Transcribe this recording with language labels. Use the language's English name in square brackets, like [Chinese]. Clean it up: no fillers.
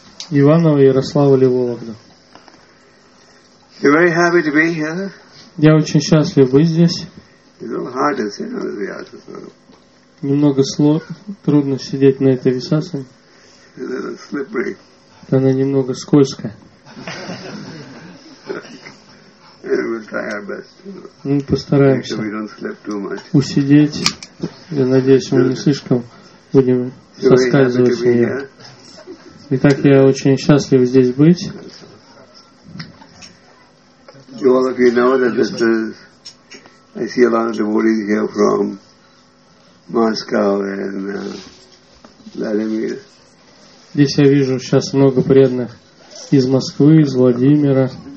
[Russian] Иванова, Ярослава, Вологда. [English] You're very happy to be here. [Russian] Я очень счастлив быть здесь. [English] It's a little hard to sit on the Vyasasana. [Russian] Немного трудно сидеть на этой Висасане. [English] It's a little slippery. [Russian] Она немного скользкая. [English] And we'll try our best. [Russian] Мы постараемся усидеть. Я надеюсь, мы не слишком будем соскальзывать с нее. Итак, я очень счастлив здесь быть. [English] All of you know that this is, I see a lot of devotees here from Moscow and Vladimir. [Russian] Здесь я вижу сейчас много преданных из Москвы, из Владимира.